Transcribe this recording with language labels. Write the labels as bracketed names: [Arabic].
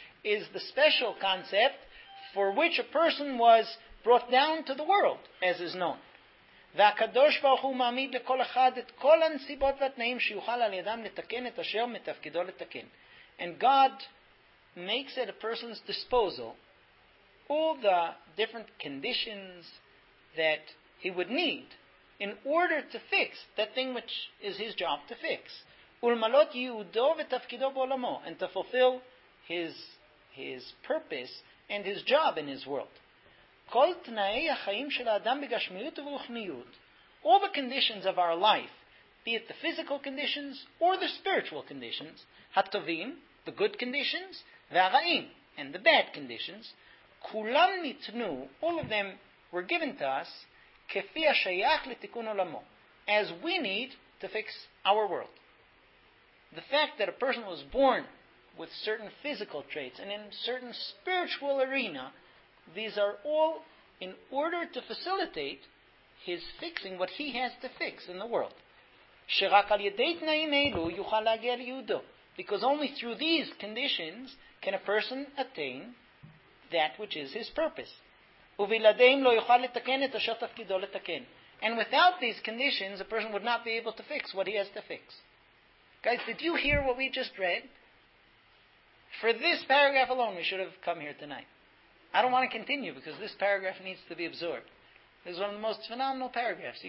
[English] is the special concept for which a person was brought down to the world, as is known. [Hebrew] והקדוש ברוך הוא מעמיד לכל אחד את כל הנסיבות והתנאים שיוכל על ידם לתקן את אשר מתפקידו לתקן. [English] And God makes at a person's disposal all the different conditions that he would need in order to fix that thing which is his job to fix. [Hebrew] ולמלות יעודו ותפקידו בעולמו, [English] and to fulfill his purpose and his job in his world. [Hebrew] כל תנאי החיים של האדם בגשמיות ורוחניות, [English] all the conditions of our life, be it the physical conditions or the spiritual conditions, [Hebrew] הטובים, [English] the good conditions, [Hebrew] והרעים, [English] and the bad conditions, [Hebrew] כולם ניתנו, [English] all of them were given to us, [Hebrew] כפי השייך לתיקון עולמו, [English] as we need to fix our world. The fact that a person was born with certain physical traits and in certain spiritual arena, these are all in order to facilitate his fixing what he has to fix in the world. [Hebrew] שרק על ידי תנאים אלו יוכל להגיע ליהודו. [English] Because only through these conditions can a person attain that which is his purpose. [Hebrew] ובלעדיהם לא יוכל לתקן את אשר תפקידו לתקן. [English] And without these conditions, a person would not be able to fix what he has to fix. Guys, did you hear what we just read? For this paragraph alone, we should have come here tonight. I don't want to continue because this paragraph needs to be absorbed. This is one of the most phenomenal paragraphs.